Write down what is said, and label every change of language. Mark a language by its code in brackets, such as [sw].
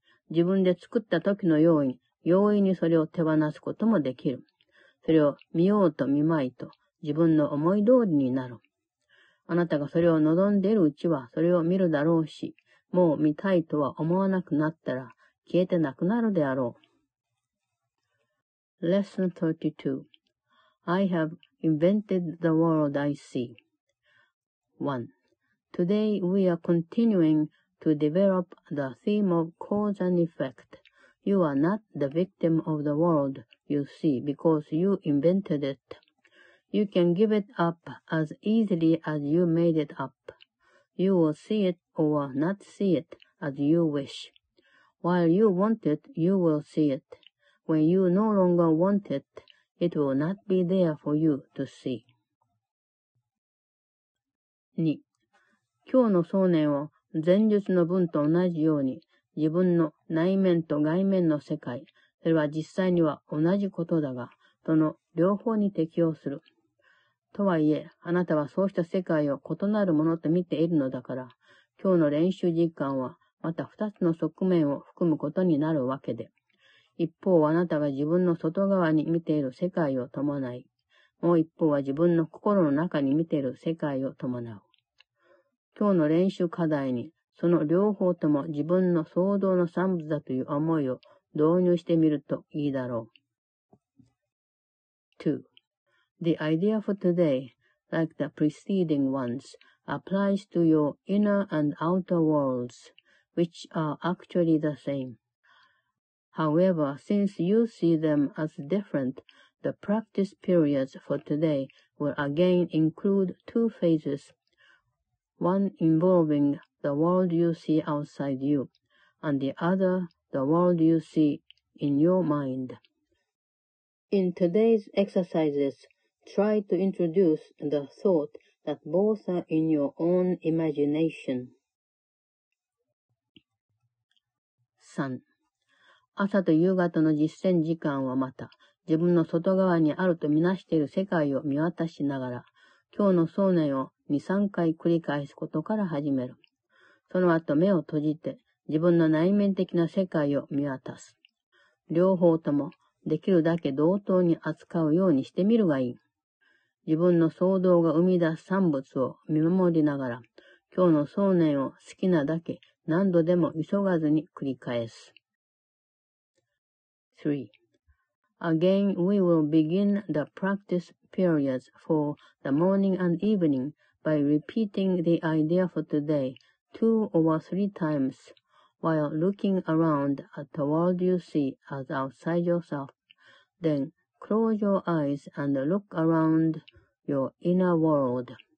[ja] 自分で作った時のように容易にそれを手放すこともできる。それを見ようと見まいと自分の思い通りになる。あなたがそれを望んでいるうちはそれを見るだろうし、もう見たいとは思わなくなったら消えてなくなるであろう。 [en] Lesson 32 I have invented the world I see. 1. Today we are continuing to develop the theme of cause and effect. You are not the victim of the world. You see, because you invented it. You can give it up as easily as you made it up. You will see it or not see it as you wish. While you want it, you will see it. When you no longer want it, it will not be there for you to see. 2. [ja] 今日の想念を前述の文と同じように、自分の内面と外面の世界、それは実際には同じことだが、その両方に適応する。とはいえ、あなたはそうした世界を異なるものと見ているのだから、今日の練習実感はまた二つの側面を含むことになるわけで。一方、あなたが自分の外側に見ている世界を伴い、もう一方は自分の心の中に見ている世界を伴う。今日の練習課題に、その両方とも自分の創造の産物だという思いを、導入してみるといいだろう。 2. [en] The idea for today, like the preceding ones, applies to your inner and outer worlds, which are actually the same. However, since you see them as different, the practice periods for today will again include two phases, one involving the world you see outside you, and the other,The world you see in your mind. In today's exercises, try to introduce the thought that both are in your own imagination. 3. [ja] 朝と夕方の実践時間はまた、自分の外側にあるとみなしている世界を見渡しながら、今日の想念を2、3回繰り返すことから始める。その後目を閉じて、自分の内面的な世界を見渡す。両方ともできるだけ同等に扱うようにしてみるがいい。自分の創造が生み出す産物を見守りながら、今日の想念を好きなだけ何度でも急がずに繰り返す。 3. [en] Again, we will begin the practice periods for the morning and evening by repeating the idea for today 2 or 3 times. While looking around at the world you see as outside yourself, then close your eyes and look around your inner world.